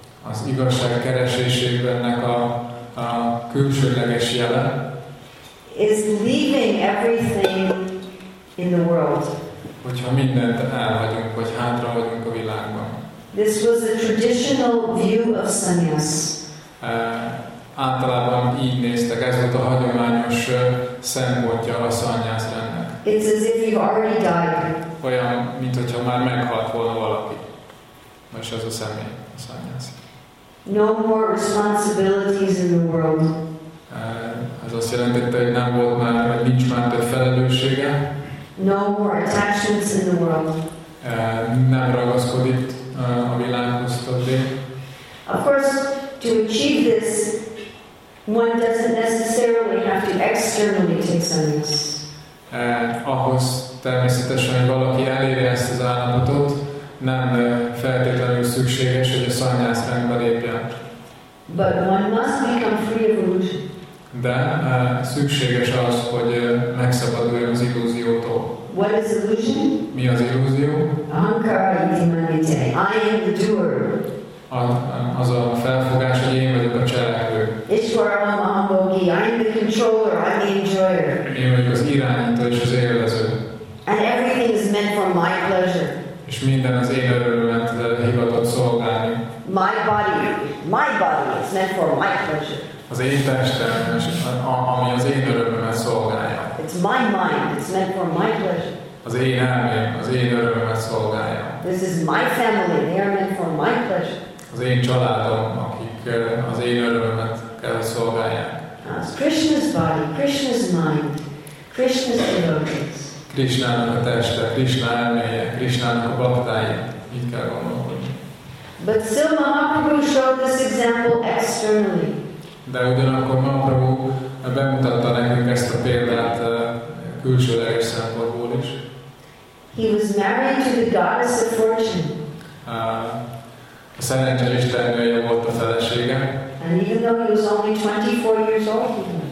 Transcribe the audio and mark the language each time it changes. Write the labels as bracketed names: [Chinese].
[Hungarian] Az igazság keresésében a külsőleges jele. [English] Is leaving everything in the world. [Hungarian] Hogyha mindent elhagyunk, vagy hátra vagyunk a világban. [English] This was a traditional view of sannyas. [Hungarian] Általában így néztek, ez volt a hagyományos szempontja a szannyászrendnek. [English] It's as if you already died. [Hungarian] Olyan, mintha már meghalt volna valaki. Most ez a személy, a szannyász. [English] No more responsibilities in the world. [Hungarian] Ez azt jelentette, hogy nem volt már, vagy nincs már több felelőssége. [English] No more attachments in the world. [Hungarian] Nem ragaszkodik a világhoz többé. [English] Of course, to achieve this, one doesn't necessarily have to externally take sannyas. [Hungarian] Ahhoz természetesen, hogy valaki eléri ezt az állapotot, nem feltétlenül szükséges, hogy a szannyász rendbe lépjen. [English] But one must become free of illusion. [Hungarian] De szükséges az, hogy megszabaduljon az illúziótól. [English] What is illusion? [Hungarian] Mi az illúzió? [Sanskrit] Ahankara iti manite. [English] I am the doer. [Hungarian] Az a felfogás, hogy én vagyok a cselekvő. [Sanskrit] Ishvara mahabogi. [English] I am the controller. I am the enjoyer. [Hungarian] Én vagyok az irányító és az élvező. [English] And everything is meant for my pleasure. [Hungarian] És minden az én örömömet hivatott szolgálni. [English] My body is meant for my pleasure. [Hungarian] Az én testem, ami az én örömömet szolgálja. [English] It's my mind, it's meant for my pleasure. [Hungarian] Az én elmém, az én örömömet szolgálja. [English] This is my family, they are meant for my pleasure. [Hungarian] Az én családom, akik az én örömömet kell szolgálják. [English] It's Krishna's body, Krishna's mind, Krishna's devotees. [Hungarian] Krishnának a teste, Krishna elméje, Krishnának a baktája. Így kell gondolkodni. [English] But still Mahaprabhu showed this example externally. [Hungarian] De ugyanakkor Mahaprabhu bemutatta nekünk ezt a példát külsőleges szempontból is. [English] He was married to the goddess of fortune. [Hungarian] A szerencse istennője volt a felesége. [English] And even though he was only 24 years old.